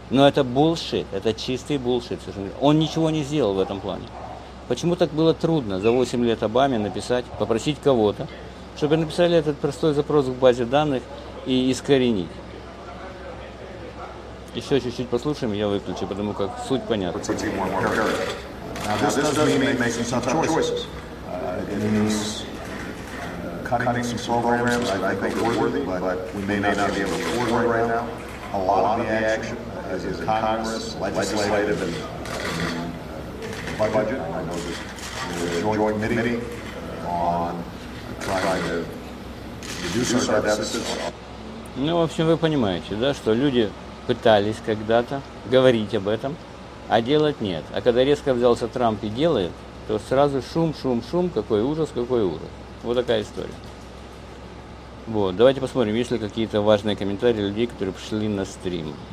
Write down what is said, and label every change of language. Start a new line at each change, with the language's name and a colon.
Russian: Но это булшит, это чистый булшит. Он ничего не сделал в этом плане. Почему так было трудно за 8 лет Обаме написать, попросить кого-то, чтобы написали этот простой запрос в базе данных и искоренить? Еще чуть-чуть послушаем, я выключу, потому как суть понятна.
English: Now, this does mean making some tough choices. It means cutting some programs that I think are worthy, but we may not be able to afford it right now. A lot of the action is in Congress, legislative and budget. I know there's a joint committee on trying to reduce our deficits.
Russian: Ну, в общем, вы понимаете, да, что люди пытались когда-то говорить об этом, а делать нет. А когда резко взялся Трамп и делает, то сразу шум, какой ужас. Вот такая история. Вот, давайте посмотрим, есть ли какие-то важные комментарии людей, которые пришли на стрим.